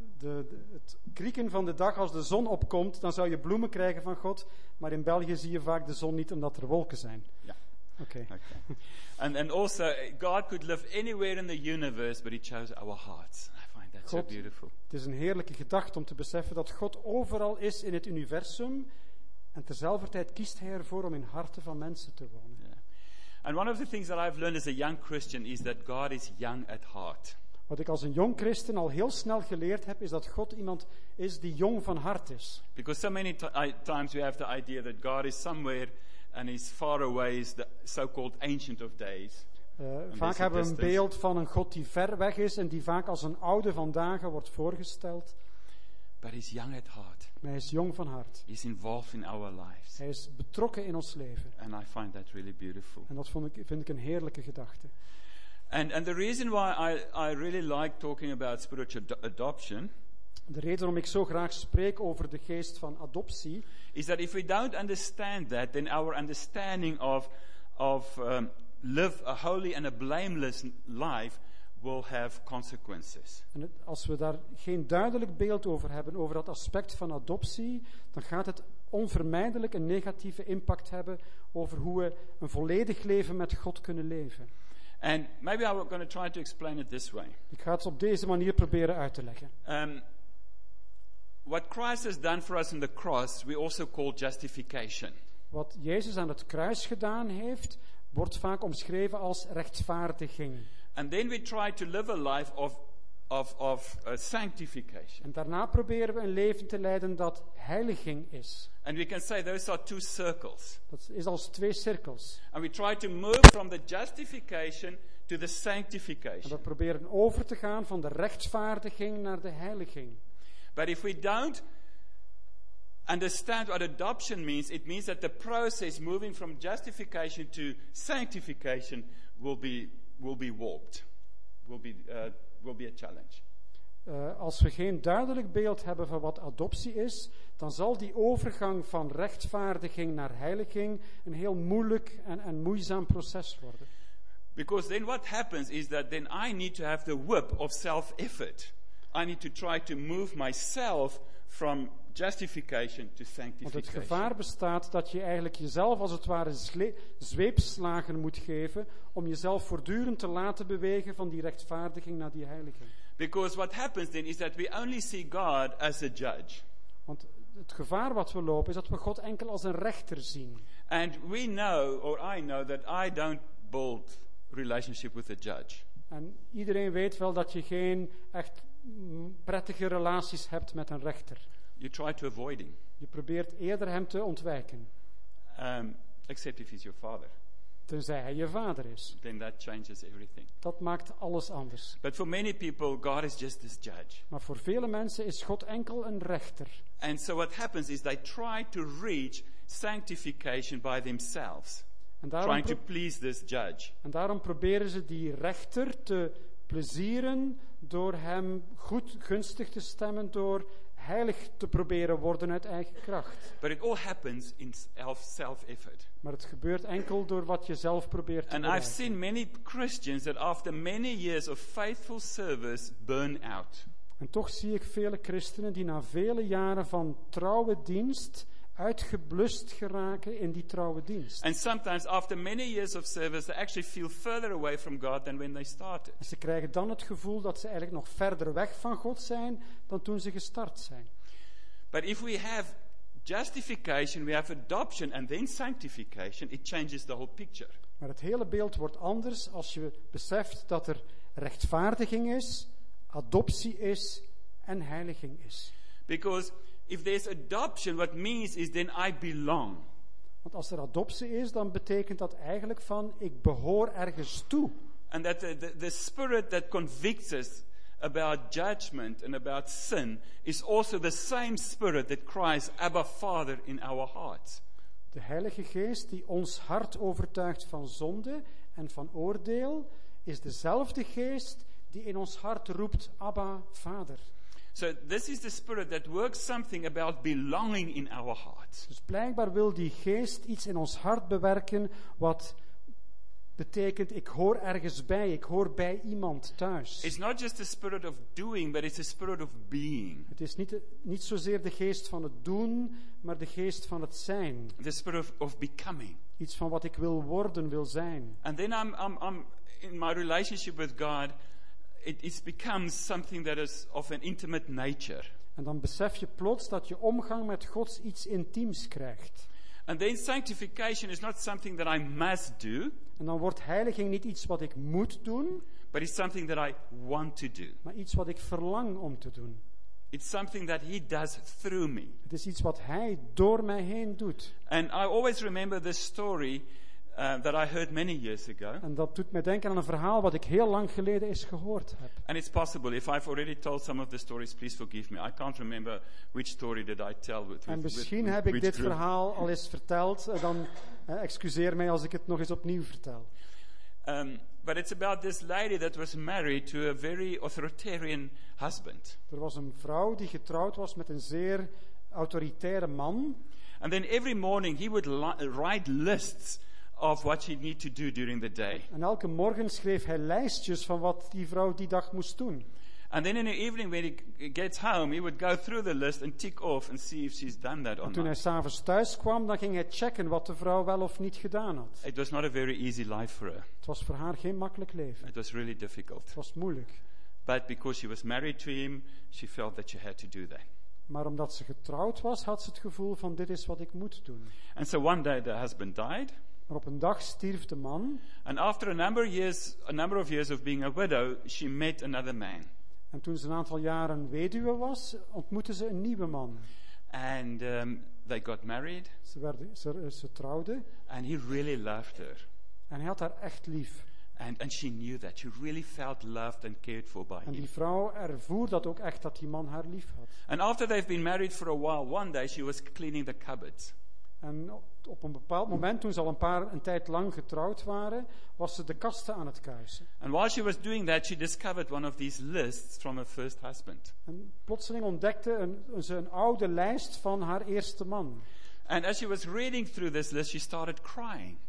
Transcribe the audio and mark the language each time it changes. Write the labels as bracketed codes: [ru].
[nl] Het krieken van de dag, als de zon opkomt, dan zou je bloemen krijgen van God. Maar in België zie je vaak de zon niet, omdat er wolken zijn. Ja. Oké. [en] And also, God could live anywhere in the universe, but he chose our hearts. I find that God, so beautiful. [nl] Het is een heerlijke gedachte om te beseffen dat God overal is in het universum. En terzelfde tijd kiest hij ervoor om in harten van mensen te wonen. [en] Yeah. And one of the things that I've learned as a young Christian is that God is young at heart. [nl] Wat ik als een jong christen al heel snel geleerd heb, is dat God iemand is die jong van hart is. [en] Because so many times we have the idea that God is somewhere and is far away, is the so-called ancient of days. [nl] Vaak hebben we een beeld van een God die ver weg is en die vaak als een oude van dagen wordt voorgesteld. [en] But he's young at heart. [nl] Maar hij is jong van hart. [en] He's involved in our lives. [nl] Hij is betrokken in ons leven. [en] And I find that really beautiful. [nl] En dat vind ik een heerlijke gedachte. [en] And the reason why I really like talking about spiritual adoption. [nl] De reden waarom ik zo graag spreek over de geest van adoptie [en] is that if we don't understand that, then our understanding of live a holy and a blameless life will have consequences. [nl] En als we daar geen duidelijk beeld over hebben over dat aspect van adoptie, dan gaat het onvermijdelijk een negatieve impact hebben over hoe we een volledig leven met God kunnen leven. [en] And maybe I'm going to try to explain it this way. [nl] Ik ga het op deze manier proberen uit te leggen. [en] What Christ has done for us on the cross, we also call justification. [nl] Wat Jezus aan het kruis gedaan heeft, wordt vaak omschreven als rechtvaardiging. [en] And then we try to live a life of sanctification. [nl] En daarna proberen we een leven te leiden dat heiliging is. [en] And we can say those are two circles. [nl] Dat is als twee cirkels. [en] And we try to move from the justification to the sanctification. [nl] En we proberen over te gaan van de rechtvaardiging naar de heiliging. [en] But if we don't understand what adoption means, it means that the process moving from justification to sanctification will be a challenge. [nl] Als we geen duidelijk beeld hebben van wat adoptie is, dan zal die overgang van rechtvaardiging naar heiliging een heel moeilijk en moeizaam proces worden. [en] Because then what happens is that then I need to have the whip of self-effort. I need to try to move myself from justification to sanctification. [nl] Want het gevaar bestaat dat je eigenlijk jezelf als het ware zweepslagen moet geven om jezelf voortdurend te laten bewegen van die rechtvaardiging naar die heiliging. [en] Because what happens then is that we only see God as a judge. [nl] Want het gevaar wat we lopen is dat we God enkel als een rechter zien. [en] And we know, or I know, that I don't build relationship with a judge. [nl] En iedereen weet wel dat je geen echt prettige relaties hebt met een rechter. [en] You try to avoid him. [nl] Je probeert eerder hem te ontwijken. [en] Except if he's your father. [nl] Tenzij hij je vader is. [en] Then that changes everything. [nl] Dat maakt alles anders. [en] But for many people, God is just this judge. [nl] Maar voor vele mensen is God enkel een rechter. [en] And so what happens is they try to reach sanctification by themselves. Trying to please this judge. [nl] En daarom proberen ze die rechter te plezieren door hem goed gunstig te stemmen door heilig te proberen worden uit eigen kracht. [en] But it all happens in self-effort. [nl] Maar het gebeurt enkel door wat je zelf probeert te doen. [en] And I've seen many Christians that after many years of faithful service burn out. [nl] En toch zie ik vele christenen die na vele jaren van trouwe dienst uitgeblust geraken in die trouwe dienst. [en] And sometimes after many years of service they actually feel further away from God than when they started. [nl] En ze krijgen dan het gevoel dat ze eigenlijk nog verder weg van God zijn dan toen ze gestart zijn. [en] But if we have justification, we have adoption and then sanctification, it changes the whole picture. [nl] Maar het hele beeld wordt anders als je beseft dat er rechtvaardiging is, adoptie is en heiliging is. [en] Because if there's adoption, what means is then I belong. [nl] Want als er adoptie is, dan betekent dat eigenlijk van ik behoor ergens toe. [en] And that the spirit that convicts us about judgment and about sin is also the same spirit that cries Abba Father in our hearts. [nl] De Heilige Geest die ons hart overtuigt van zonde en van oordeel is dezelfde geest die in ons hart roept Abba Vader. [en] So this is the spirit that works something about belonging in our hearts. [nl] Dus blijkbaar wil die geest iets in ons hart bewerken wat betekent ik hoor ergens bij, ik hoor bij iemand thuis. [en] It's not just the spirit of doing, but it's the spirit of being. [nl] Het is niet zozeer de geest van het doen, maar de geest van het zijn. [en] The spirit of becoming. [nl] Iets van wat ik wil worden, wil zijn. [en] And then I'm in my relationship with God, it becomes something that is of an intimate nature. [nl] En dan besef je plots dat je omgang met God iets intiems krijgt. [en] And then sanctification is not something that I must do. [nl] En dan wordt heiliging niet iets wat ik moet doen. [en] But it's something that I want to do. [nl] Maar iets wat ik verlang om te doen. [en] It's something that he does through me. [nl] Het is iets wat hij door mij heen doet. [en] And I always remember this story that I heard many years ago. [nl] En dat doet mij denken aan een verhaal wat ik heel lang geleden is gehoord heb. [en] And it's possible if I've already told some of the stories, please forgive me. I can't remember which story did I tell with. [nl] En misschien heb ik dit verhaal al eens verteld. Dan excuseer mij als ik het nog eens opnieuw vertel. [en] But it's about this lady that was married to a very authoritarian husband. [nl] Er was een vrouw die getrouwd was met een zeer autoritaire man. [en] And then every morning he would write lists of what she need to do during the day. [nl] En elke morgen schreef hij lijstjes van wat die vrouw die dag moest doen. [en] And then in the evening when he gets home, he would go through the list and tick off and see if she's done that or not. [nl] En toen hij 's avonds thuis kwam, dan ging hij checken wat de vrouw wel of niet gedaan had. [en] It was not a very easy life for her. [nl] Het was voor haar geen makkelijk leven. [en] It was really difficult. [nl] Het was moeilijk. [en] But because she was married to him, she felt that she had to do that. [nl] Maar omdat ze getrouwd was, had ze het gevoel van dit is wat ik moet doen. [en] And so one day the husband died. [nl] Maar op een dag stierf de man. [en] And after a number of years of being a widow, she met another man. [nl] En toen ze een aantal jaren weduwe was, ontmoette ze een nieuwe man. [en] And they got married. [nl] Ze trouwden. [en] And he really loved her. [nl] En hij had haar echt lief. [en] And she knew that. She really felt loved and cared for by him. [nl] En die vrouw ervoer dat ook echt dat die man haar lief had. [en] And after they've been married for a while, one day she was cleaning the cupboards. [nl] En op een bepaald moment, toen ze al een tijd lang getrouwd waren, was ze de kasten aan het kuisen. [en] And while she was doing that, she discovered one of these lists from her first husband. [nl] En plotseling ontdekte ze een oude lijst van haar eerste man. [en] And as she was reading through this list, she started crying.